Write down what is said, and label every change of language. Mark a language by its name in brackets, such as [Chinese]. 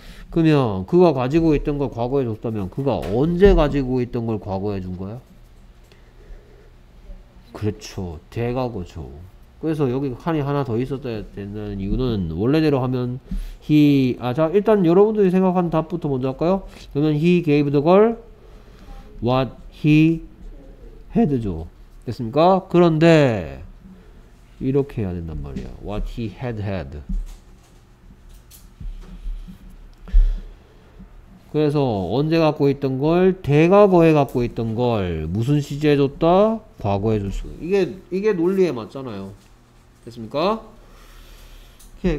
[Korean] 그러면 그가 가지고 있던 걸 과거에 줬다면 그가 언제 가지고 있던 걸 과거에 준 거야? 그렇죠. 대과거죠. 그래서 여기 칸이 하나 더 있었다 되는 이유는 원래대로 하면 he 아자 일단 여러분들이 생각한 답부터 먼저 할까요? 그러면 [English] he gave the girl what he had죠. [Korean] 됐습니까? 그런데 이렇게 해야 된단 말이야. [English] What he had. [Korean] 그래서 언제 갖고 있던 걸 대과거에 갖고 있던 걸 무슨 시제에 줬다? 과거에 줬어. 이게 논리에 맞잖아요. 됐습니까? 오케이.